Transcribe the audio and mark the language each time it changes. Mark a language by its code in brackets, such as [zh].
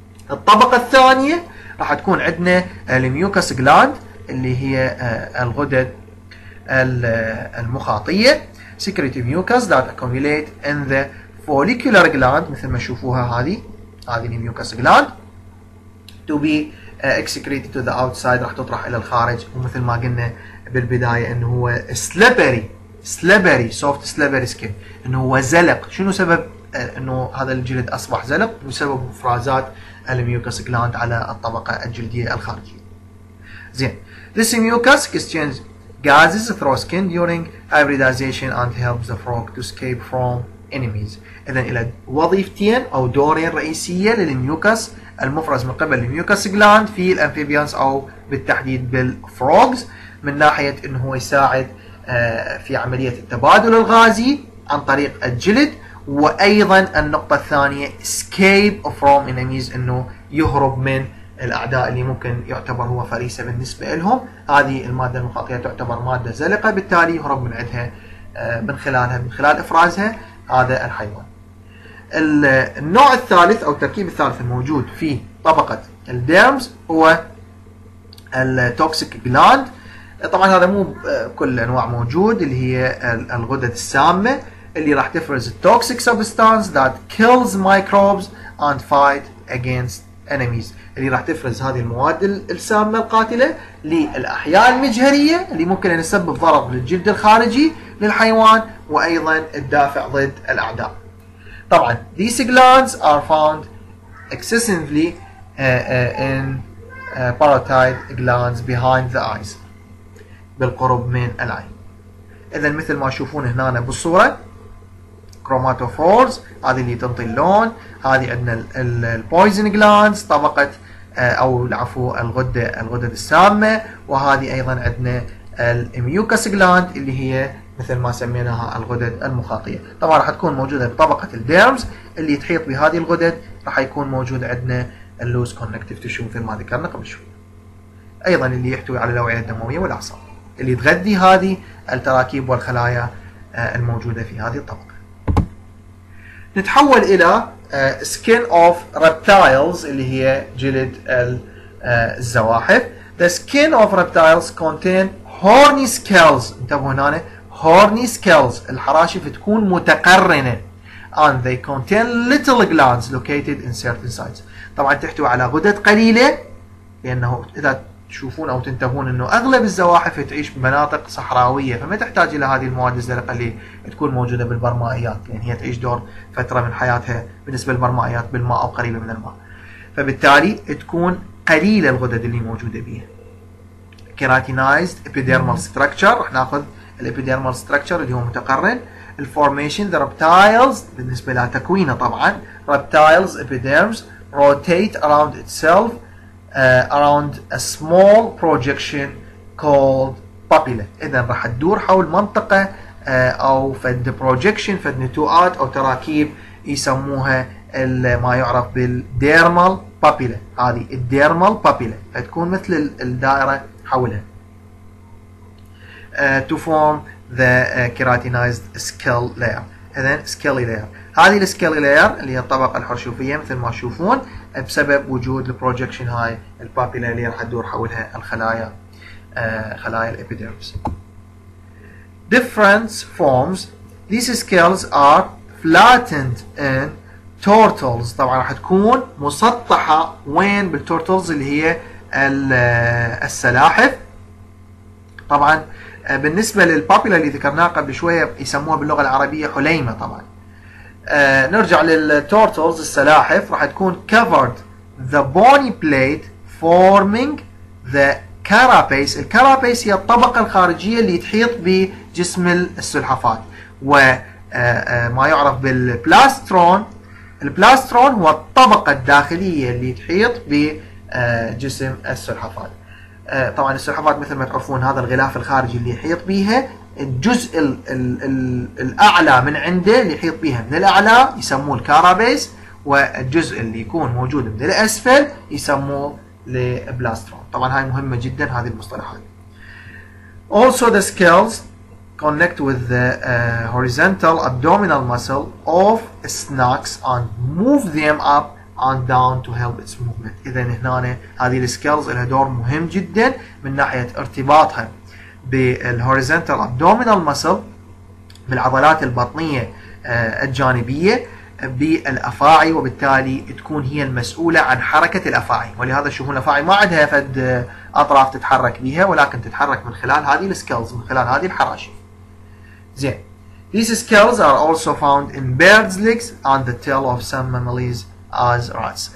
[ar] الطبقة الثانية راح تكون عندنا الميوكس جلاند اللي هي الغدد المخاطية، [en] secrete mucus that accumulate in the follicular gland [ar] مثل ما تشوفوها هذه الميوكس جلاند [en] to be excreted to the outside، [ar] راح تطرح الى الخارج. ومثل ما قلنا بالبداية انه هو [en] slippery soft slippery skin، [ar] انه هو زلق. شنو سبب انه هذا الجلد اصبح زلق؟ بسبب افرازات الميوكس جلاند على الطبقة الجلدية الخارجية. زين، [en] this mucus exchanges gases through skin during hybridization and helps the frog to escape from enemies. [ar] إذن إلى وظيفتين أو دورين رئيسية للميوكس المفرز من قبل الميوكس جلاند في الأمفيبيانس أو بالتحديد بالفروغز، من ناحية أنه يساعد في عملية التبادل الغازي عن طريق الجلد، وايضا النقطه الثانيه [en] escape from enemies [ar] انه يهرب من الاعداء اللي ممكن يعتبر هو فريسه بالنسبه لهم. هذه الماده المخاطيه تعتبر ماده زلقه بالتالي يهرب من عندها من خلال افرازها هذا الحيوان. النوع الثالث او التركيب الثالث الموجود في طبقه الديرمز هو التوكسيك جلاند. طبعا هذا مو كل انواع موجود، اللي هي الغدد السامه اللي راح تفرز [en] toxic substance that kills microbes and fight against enemies، [ar] اللي راح تفرز هذه المواد السامة القاتلة للأحياء المجهرية اللي ممكن أن يسبب ضرر للجلد الخارجي للحيوان وأيضا الدافع ضد الأعداء. طبعا [en] these glands are found excessively in parotid glands behind the eyes، [ar] بالقرب من العين. إذا مثل ما تشوفون هنا بالصورة كروماتوفورز هذه اللي تنطي اللون، هذه عندنا البويزن جلاندز طبقة أو العفو الغدد السامة، وهذه أيضا عندنا الميوكس جلاند اللي هي مثل ما سميناها الغدد المخاطية. طبعا راح تكون موجودة بطبقة الديرمز اللي تحيط بهذه الغدد، راح يكون موجود عندنا اللوز كونكتيف تشو مثل ما ذكرنا قبل شوي، أيضا اللي يحتوي على الأوعية الدموية والأعصاب اللي تغذي هذه التراكيب والخلايا الموجودة في هذه الطبقة. نتحول الى [en] skin of reptiles [ar] اللي هي جلد الزواحف. [en] The skin of reptiles contain horny scales، [ar] انتبهوا هنا [en] horny scales [ar] الحراشف تكون متقرنة، [en] and they contain little glands located in certain sites، [ar] طبعا تحتوي على غدد قليلة لانه اذا تشوفون او تنتبهون انه اغلب الزواحف تعيش بمناطق صحراويه، فما تحتاج الى هذه المواد الزرقاء اللي تكون موجوده بالبرمائيات، لان هي تعيش دور فتره من حياتها بالنسبه للبرمائيات بالماء او قريبه من الماء، فبالتالي تكون قليله الغدد اللي موجوده بها. كيراتينايزد ابيديرمال ستراكشر، راح ناخذ الابيديرمال ستراكشر اللي هو متقرن. [en] الفورميشن the reptiles, [ar] بالنسبه لها تكوينه طبعا، [en] Reptiles epidermis rotate around itself around a small projection called papilla. [ar] اذا راح تدور حول منطقه او فد بروجكشن، فد نتوءات او تراكيب يسموها ما يعرف بالديرمال بابيلا. هذه الديرمال بابيلا تكون مثل الدائره حولها. [en] To form the keratinized skull layer. [ar] اذا سكيلي لاير، هذه السكيلي لاير اللي هي الطبقه الحرشوفيه مثل ما تشوفون بسبب وجود البروجكشن هاي البابيلا اللي راح تدور حولها الخلايا خلايا الابيديرمس. [en] Different forms. These scales are flattened in turtles. [ar] طبعا راح تكون مسطحة وين؟ بالتورتلز اللي هي السلاحف. طبعا بالنسبة للبابيلا اللي ذكرناها قبل شوية يسموها باللغة العربية حليمة. طبعا نرجع للتورتلز السلاحف، راح تكون [en] covered the bony plate forming the carapace. [ar] الكارابيس هي الطبقة الخارجية اللي تحيط بجسم السلحفات، وما يعرف بالبلاسترون. البلاسترون هو الطبقة الداخلية اللي تحيط بجسم السلحفات. طبعا السلحفات مثل ما تعرفون هذا الغلاف الخارجي اللي يحيط بيها الجزء الأعلى من عنده اللي يحيط بيها من الأعلى يسموه الكارابيس، والجزء اللي يكون موجود من الأسفل يسموه البلاسترون. طبعا هاي مهمة جدا هذه المصطلحات. [en] Also the scales connect with the horizontal abdominal muscle of snakes and move them up and down to help its movement. [ar] إذا هنا هذه السكيلز لها دور مهم جدا من ناحية ارتباطها بالهوريزنتال ابدومينال مسل، بالعضلات البطنية الجانبية بالافاعي، وبالتالي تكون هي المسؤولة عن حركة الافاعي. ولهذا شوفون الافاعي ما عندها فد اطراف تتحرك بها، ولكن تتحرك من خلال هذه السكيلز، من خلال هذه الحراشف. زين. [en] These scales are also found in bird's legs and the tail of some mammals as rats.